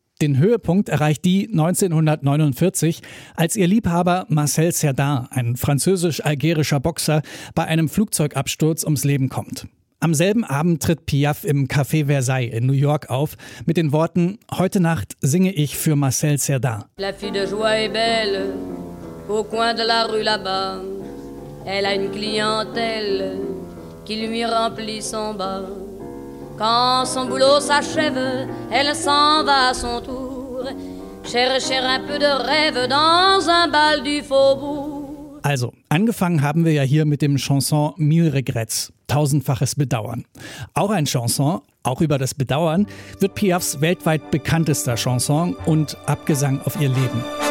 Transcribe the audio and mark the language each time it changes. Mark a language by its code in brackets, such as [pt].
[de] Den Höhepunkt erreicht die 1949, als ihr Liebhaber Marcel Cerdain, ein französisch-algerischer Boxer, bei einem Flugzeugabsturz ums Leben kommt. Am selben Abend tritt Piaf im Café Versailles in New York auf mit den Worten: Heute Nacht singe ich für Marcel Cerdain. [fr] La fille de joie est belle, au coin de la rue là-bas. Elle a une clientèle qui lui remplit son bas. Quand son boulot s'achève, elle s'en va à son tour chercher un peu de rêve dans un bal du faubourg. [de] Also, angefangen haben wir ja hier mit dem Chanson Mille Regrets, tausendfaches Bedauern. Auch ein Chanson, auch über das Bedauern, wird Piafs weltweit bekanntester Chanson und Abgesang auf ihr Leben.